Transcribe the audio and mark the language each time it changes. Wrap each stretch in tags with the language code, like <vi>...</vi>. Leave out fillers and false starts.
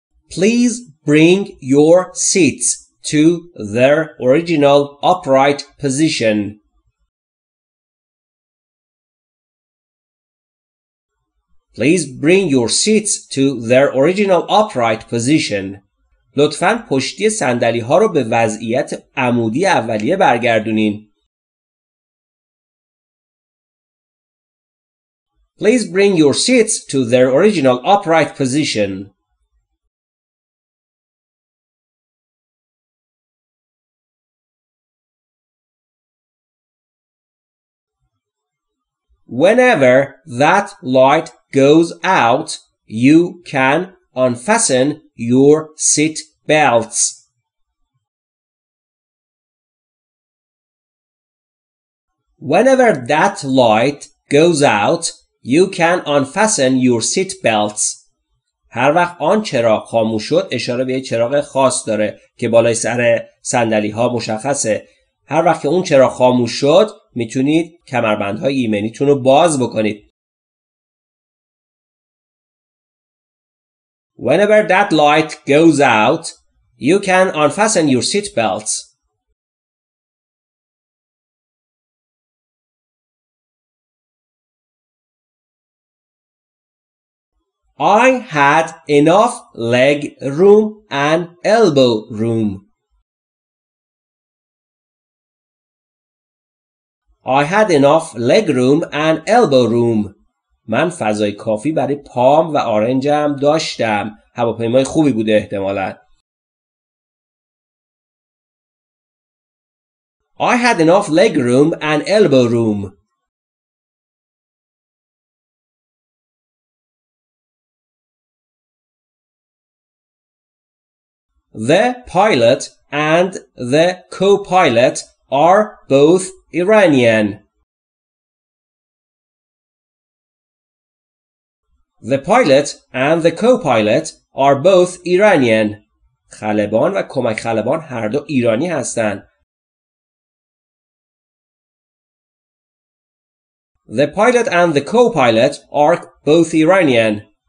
<en>Please bring your seats to their original upright position. Please bring your seats to their original upright position.</en> <fa>لطفاً پشتی صندلی ها رو به وضعیت عمودی اولیه برگردونین.</fa> <en>Please bring your seats to their original upright position. Whenever that light goes out, you can unfasten your seat belts. Whenever that light goes out, you can unfasten your seat belts.</en> <fa>هر وقت آن چراغ خاموش شد اشاره به چراغ خاص داره که بالای سر صندلی ها مشخصه. هر وقت که اون چراغ خاموش شد میتونید کمربند های ایمنیتون رو باز بکنید.</fa> <en>Whenever that light goes out, you can unfasten your seat belts. I had enough leg room and elbow room. I had enough leg room and elbow room.</en> <fa>من فضای کافی برای پام و آرنجم داشتم. هواپیمای خوبی بوده احتمالاً.</fa> <en>I had enough leg room and elbow room. The pilot and the co-pilot are both Iranian. The pilot and the co-pilot are both Iranian.</en> <fa>خلبان و کمک خلبان هر دو ایرانی هستند.</fa> <en>The pilot and the co-pilot are both Iranian.</en>